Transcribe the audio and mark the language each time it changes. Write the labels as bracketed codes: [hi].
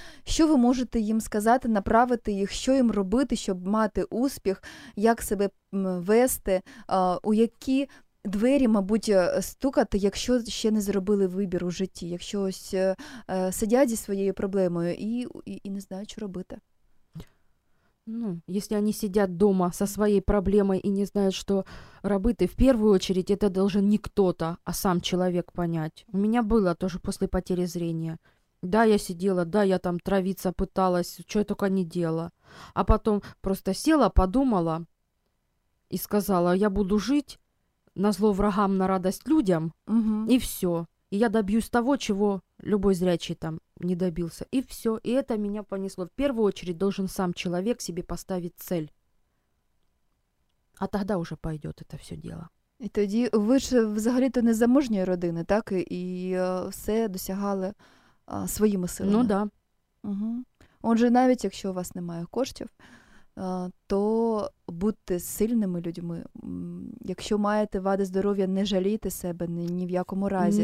[uk] Що ви можете їм сказати, направити їх, що їм робити, щоб мати успіх, як себе вести, у які двері, мабуть, стукати, якщо ще не зробили вибір у житті, якщо ось сидять зі своєю проблемою і не знають, що робити. [ru] Ну, если они сидят дома со своей проблемой и не знают, что работать, в первую очередь это должен не кто-то, а сам человек понять. У меня было тоже после потери зрения. Да, я сидела, да, я там травиться пыталась, что я только не делала. А потом просто села, подумала и сказала, я буду жить на зло врагам, на радость людям, угу. И все. И я добьюсь того, чего любой зрячий там не добился. И все. И это меня понесло. В первую очередь должен сам человек себе поставить цель. А тогда уже пойдет это все дело. [uk] И тоді ви ж взагалі-то не заможньої родини, так? І все досягали своїми силами. Ну да. Угу. Отже, навіть якщо у вас немає коштів, то будьте сильними людьми. Якщо маєте вади здоров'я, не жалійте себе ні в якому разі.